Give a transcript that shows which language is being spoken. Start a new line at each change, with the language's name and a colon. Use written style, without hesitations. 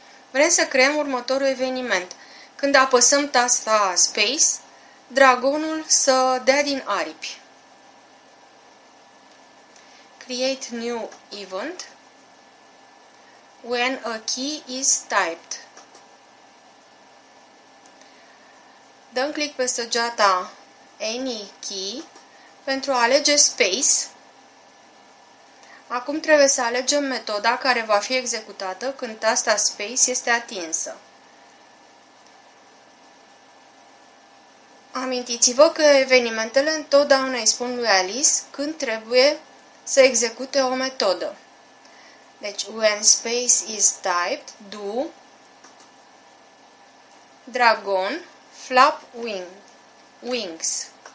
Romanian: Vrem să creăm următorul eveniment. Când apăsăm tasta Space, dragonul să dea din aripi.
English: Create new event when a key is typed.
Romanian: Dăm click pe săgeata Any Key pentru a alege Space. Acum trebuie să alegem metoda care va fi executată când tasta Space este atinsă. Amintiți-vă că evenimentele întotdeauna îi spun lui Alice când trebuie să execute o metodă.
English: Deci, when space is typed, do dragon flap wings.